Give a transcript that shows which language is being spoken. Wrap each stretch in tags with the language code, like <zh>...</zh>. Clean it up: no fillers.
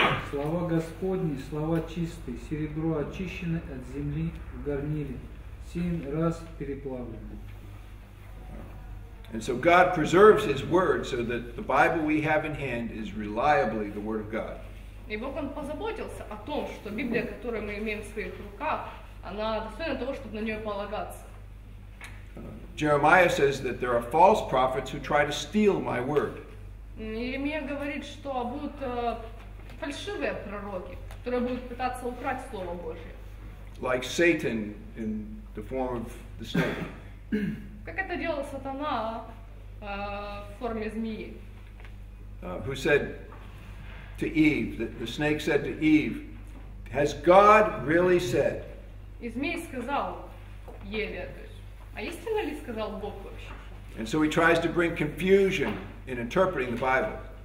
<ru>Слова Господни, слова чистые, серебро очищено от земли в горниле, 7 раз переплавлено.</ru> <en>And so God preserves His Word so that the Bible we have in hand is reliably the Word of God.</en> <ru>И Бог Он позаботился о том, что Библия, которую мы имеем в своих руках, она достойна того, чтобы на нее полагаться.</ru> <en>Jeremiah says that there are false prophets who try to steal my Word.</en> <ru>Иеремия говорит, что будут фальшивые пророки, которые будут пытаться украсть Слово Божие.</ru> <en>Like Satan in the form of the snake.</en> <ru>Как это делал сатана в форме змеи?</ru> <en>Who said to Eve, the snake said to Eve, has God really said?</en> <ru>И змей сказал Еве, то есть, а истинно ли сказал Бог вообще?</ru> <en>And so he tries to bring confusion in interpreting the Bible.</en>